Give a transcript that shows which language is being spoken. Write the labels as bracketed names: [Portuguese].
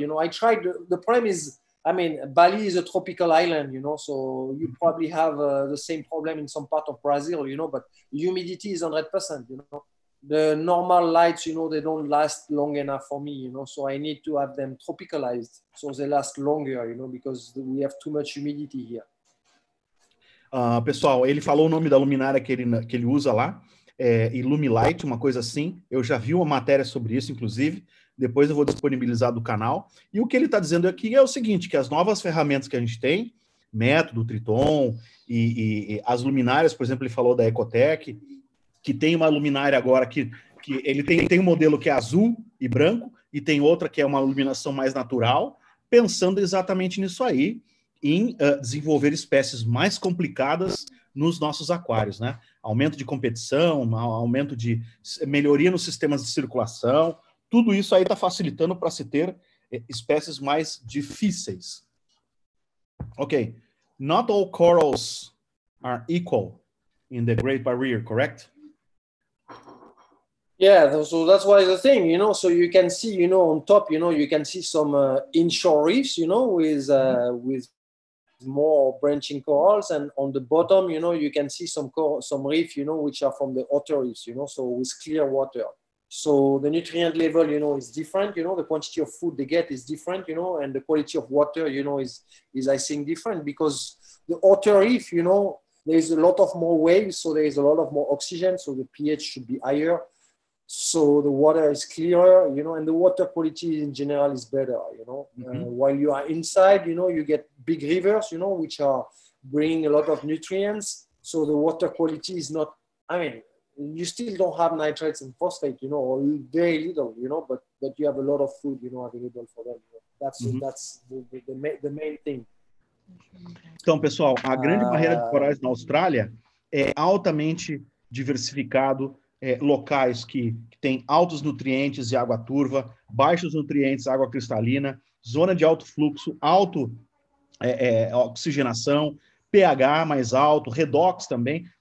[English] You know, I tried, the problem is, I mean, Bali is a tropical island, you know, so you probably have the same problem in some part of Brazil, you know, but humidity is 100%, you know. The normal lights, you know, they don't last long enough for me, you know, so I need to have them tropicalized so they last longer, you know, because we have too much humidity here. [Portuguese] Pessoal, ele falou o nome da luminária que ele usa lá. É Illumilight, uma coisa assim. Eu já vi uma matéria sobre isso, inclusive. Depois eu vou disponibilizar do canal. E o que ele está dizendo aqui é o seguinte, que as novas ferramentas que a gente tem, método, Triton, e as luminárias, por exemplo, ele falou da Ecotec, que tem uma luminária agora que ele tem um modelo que é azul e branco, e tem outra que é uma iluminação mais natural, pensando exatamente nisso aí, em desenvolver espécies mais complicadas nos nossos aquários, né? Aumento de competição, aumento de melhoria nos sistemas de circulação, tudo isso aí está facilitando para se ter espécies mais difíceis. Ok. [English] Not all corals are equal in the Great Barrier, correct? Yeah, so that's why the thing, you know, so you can see, you know, on top, you know, you can see some inshore reefs, you know, with more branching corals, and on the bottom, you know, you can see some reefs, you know, which are from the outer reefs, you know, so with clear water. So the nutrient level, you know, is different, you know, the quantity of food they get is different, you know, and the quality of water, you know, is I think different, because the outer reef, you know, there's a lot of more waves, so there's a lot of more oxygen, so the pH should be higher, so the water is clearer, you know, and the water quality in general is better, you know. While you are inside, you know, you get big rivers, you know, which are bringing a lot of nutrients, so the water quality is not, I mean, you still don't have nitrates and phosphate, you know, or very little, you know, but you have a lot of food, you know, available for them. That's the main thing. [Portuguese] Então, pessoal, a grande barreira de corais na Austrália é altamente diversificado, locais que têm altos nutrientes e água turva, baixos nutrientes, água cristalina, zona de alto fluxo, alto oxigenação, pH mais alto, redox também.